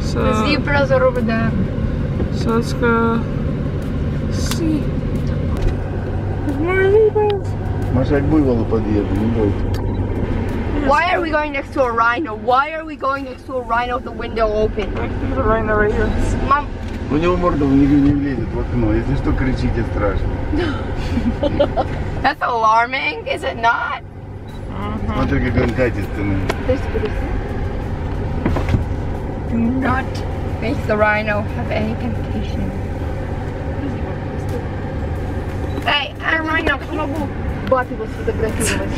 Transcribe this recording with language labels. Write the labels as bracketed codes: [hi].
[en] So, the zebras are over there. So let's go see. There's more zebras. Masha, I'll buy one for you. Why are we going next to a rhino? Why are we going next to a rhino with the window open? There's a rhino right here. Mom. [ru] У него морда в него не влезет в окно. Если что, кричите страшно. [en] That's alarming, is it not? [ru] Смотри, как он катит. [en] Do not make the rhino have any temptation. [ru] Эй, рhino, я могу бат его сфотографировать.